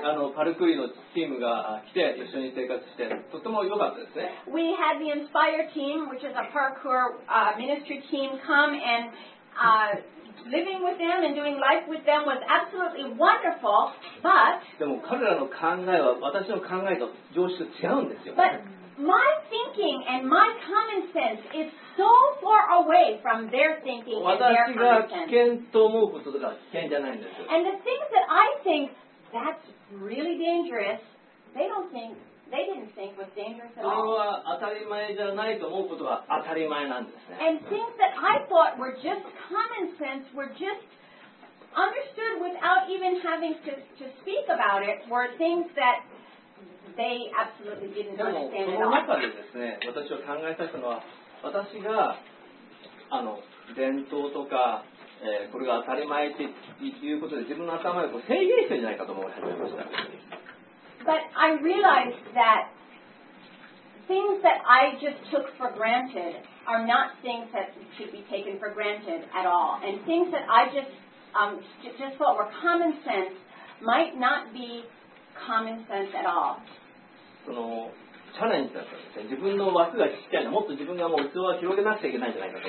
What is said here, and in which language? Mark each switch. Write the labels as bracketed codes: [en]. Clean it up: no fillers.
[en] We had the Inspire team, which is a parkour ministry team, come and living with them and doing life with them was absolutely wonderful, but my thinking and my common sense is so far away from their thinking and their common sense. [ja] 私が危険と思うこととか危険じゃないんですよ。 [en] And the things that I think that's really dangerous, they don't think, they didn't think was dangerous at all. [ja] それは当たり前じゃないと思うことが当たり前なんですね。 [en] And things that I thought were just common sense, were just understood without even having to speak about it, were things that... They absolutely didn't understand [ja] でもその中でですね、私は考えたのは、私が伝統とか、これが当たり前ということで自分の頭でこう制限してるんじゃないかと思い始めました。 [en] But I realized that things that I just took for granted are not things that should be taken for granted at all. And things that I just thought were common sense might not be common sense at all. [ja] そのチャレンジだったんですね。自分の枠が小さいの、もっと自分がもう器を広げなくちゃいけないんじゃないかと。